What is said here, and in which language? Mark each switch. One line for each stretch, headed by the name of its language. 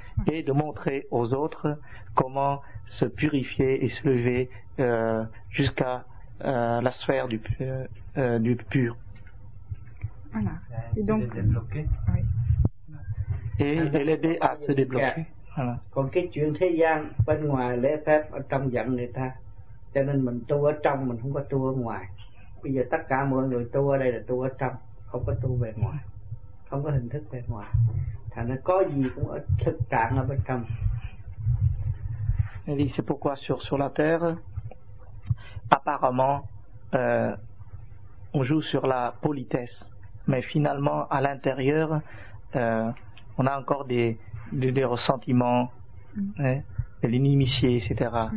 French: Et de montrer aux autres comment se purifier et se lever jusqu'à la sphère du pur. Voilà. Et donc, débloquer. Oui. Et l'aider à se débloquer. Voilà.
Vietnamese: Còn cái chuyện thế gian bên ngoài lễ phép ở trong dẫn người ta, cho nên mình tu ở trong mình không có tu ở ngoài. Bây giờ tất cả mọi người tu ở đây là tu ở trong, không có tu về ngoài, không có hình thức về ngoài. Thành ra có gì cũng ở thực trạng ở bên trong.
French: Et c'est pourquoi sur la terre, apparemment, on joue sur la politesse, mais finalement à l'intérieur, on a encore des ressentiments, de l'inimitié, etc.